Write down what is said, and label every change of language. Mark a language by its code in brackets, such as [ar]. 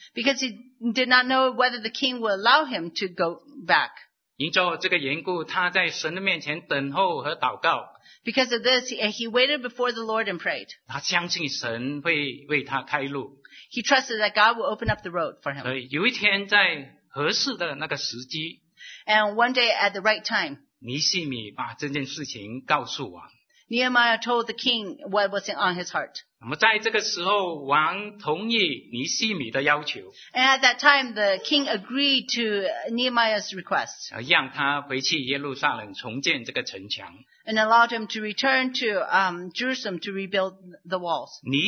[en] Because he did not know whether the king would allow him to go back. [zh] 因着这个缘故，他在神的面前等候和祷告。 [en] Because of this, he waited before the Lord and prayed. [zh] 他相信神会为他开路。 [en] He trusted that God would open up the road for him. [zh] 有一天在合适的那个时机, [en] and one day at the right time, [zh] 尼西米把这件事情告诉王。 [en] Nehemiah told the king what was on his heart. [zh] 那么在这个时候，王同意尼西米的要求。 [en] And at that time, the king agreed to Nehemiah's request. [zh] 让他回去耶路撒冷重建这个城墙。 [en] And allowed him to return to Jerusalem to rebuild the walls.